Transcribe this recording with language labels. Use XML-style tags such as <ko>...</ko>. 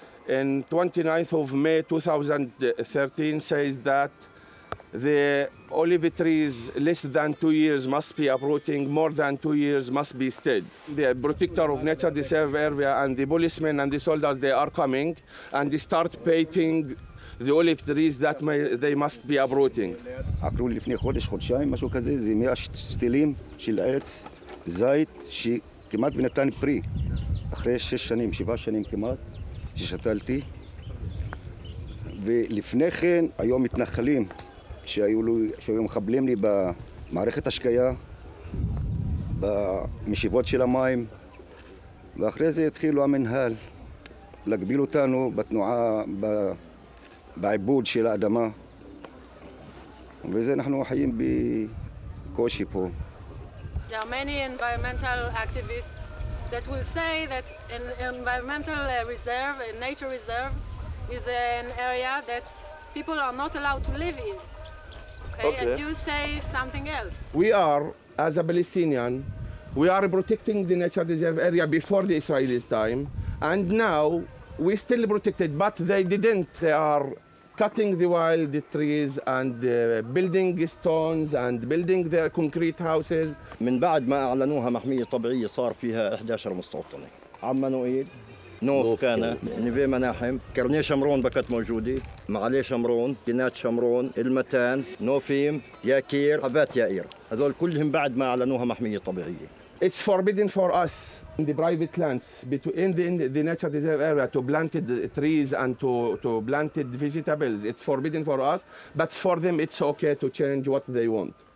<en>And 29th of May 2013 says that the olive trees less than 2 years must be uprooting, more than 2 years must be stayed. The protector of nature reserve area and the policemen and the soldiers, they are coming and they start painting the olive trees that may, they must be uprooting.</en> <he>עקרו לי לפני חודש, חודשיים, משהו כזה, זה 100 שתילים של עץ, זית, כמעט ונתן פרי, אחרי 6 שנים, 7 שנים כמעט, ששתלתי. ולפני כן היו מתנחלים שהיו מחבלים לי במערכת השקיה, במשיבות של המים, ואחרי זה התחילו המנהל להגביל אותנו בתנועה, בעיבוד של האדמה. וזה אנחנו חיים בקושי פה.</he> <en>There are many environmental activists that will say that an environmental reserve, a nature reserve, is an area that people are not allowed to live in. Okay. And you say something else. We are, as a Palestinian, we are protecting the nature reserve area before the Israelis' time, and now we still protect it, but they didn't. They are cutting the wild trees and building stones and building their concrete houses.</en> <ar>من بعد ما اعلنوها محميه طبيعيه صار فيها 11 مستوطنه عمانوئيل نوف كان نبي مناحم كرنيه شمرون بكت موجوده معالي شمرون كينات شمرون المتان نوفيم ياكير حبات ياير هذول كلهم بعد ما اعلنوها محميه طبيعيه.</ar> <en>It's forbidden for us in the private lands between the nature reserve area to plant the trees and to plant the vegetables. It's forbidden for us, but for them it's okay to change what they want.</en>